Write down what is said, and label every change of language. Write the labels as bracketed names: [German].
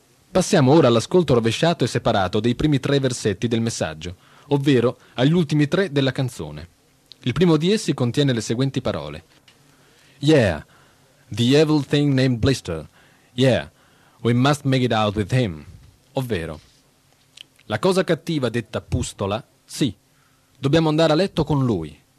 [Italian] Passiamo ora all'ascolto rovesciato e separato dei primi tre versetti del messaggio, ovvero agli ultimi tre della canzone. Il primo di essi contiene le seguenti parole. [English] Yeah, the evil thing named Blister. Yeah, we must make it out with him. [Italian] Ovvero, la cosa cattiva detta pustola, sì, dobbiamo andare a letto con lui.